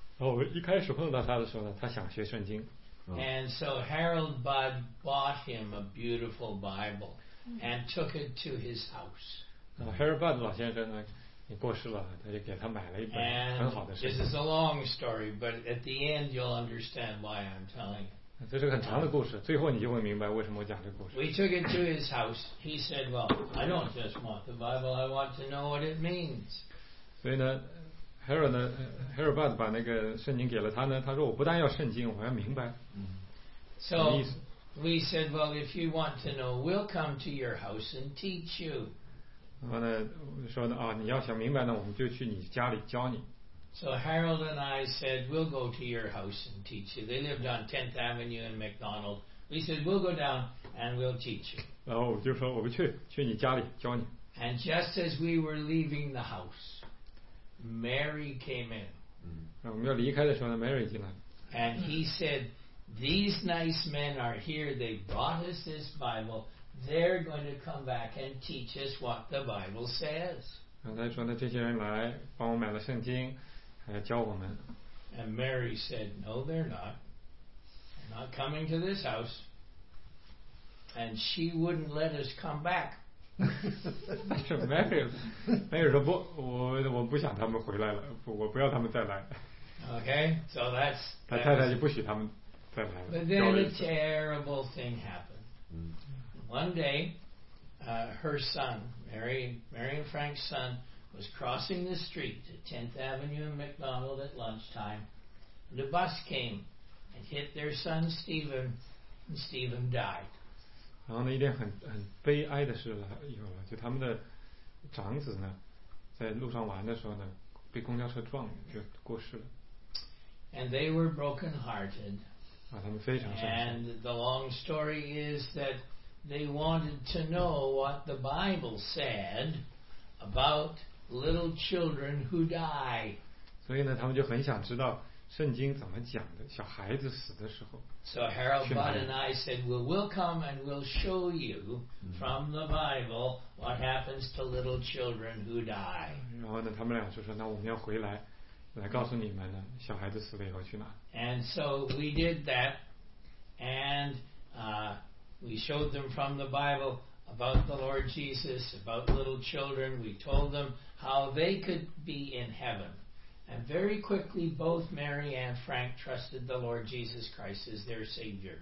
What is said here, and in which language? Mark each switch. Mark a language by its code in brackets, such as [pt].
[en] And so Harold Budd bought him a beautiful Bible and took it to his house. [zh] Harold Budd老先生呢，也过世了，他就给他买了一本很好的。 [en] This is a long story, but at the end you'll understand why I'm telling it. [zh] 这是个很长的故事，最后你就会明白为什么我讲这个故事。 [en] We took it to his house. He said, "Well, I don't just want the Bible. I want to know what it means." [zh] 所以呢 ，Herod 呢 ，Herod 爸把那个圣经给了他呢，他说我不但要圣经，我要明白。 [en] So we said, "Well, if you want to know, we'll come to your house and teach you." [zh] 然后呢，说呢啊，你要想明白呢，我们就去你家里教你。 [en] So Harold and I said, we'll go to your house and teach you. They lived on 10th Avenue in McDonald. We said, we'll go down and we'll teach you. [zh] 然后我就说我们去，去你家里教你。 [en] And just as we were leaving the house, Mary came in. [zh] 我们要离开的时候呢 ，Mary 进来。 [en] And he said, these nice men are here. They brought us this Bible. They're going to come back and teach us what the Bible says. [zh] 然后他说呢，这些人来帮我买了圣经。教我们。 [en] And Mary said, "No, they're not. They're not coming to this house." And she wouldn't let us come back. [zh] 但是 Mary 说不，我不想他们回来了，我不要他们再来。 [en] Okay, so that's. [zh] 他太太就不许他们再来了。 [en] But then a terrible thing happened. One day, her son, Mary and Frank's son. Was crossing the street to 10th Avenue and McDonald at lunchtime. The bus came and hit their son Stephen, and Stephen died. [zh] 然后呢，一件很悲哀的事来有了，就他们的长子呢，在路上玩的时候呢，被公交车撞就过世了。 [en] And they were broken-hearted. [zh] 啊，他们非常伤心。 [en] And the long story is that they wanted to know what the Bible said about. Little children who die. [zh] 所以呢，他们就很想知道圣经怎么讲的。小孩子死的时候。 [en] So Harold Budd and I said, "Well, we'll come and we'll show you from the Bible what happens to little children who die." [zh] 然后呢，他们俩就说：“那我们要回来，来告诉你们呢，小孩子死了以后去哪。” [en] And so we did that, and we showed them from the Bible. About the Lord Jesus, about little children, we told them how they could be in heaven. And very quickly, both Mary and Frank trusted the Lord Jesus Christ as their Savior.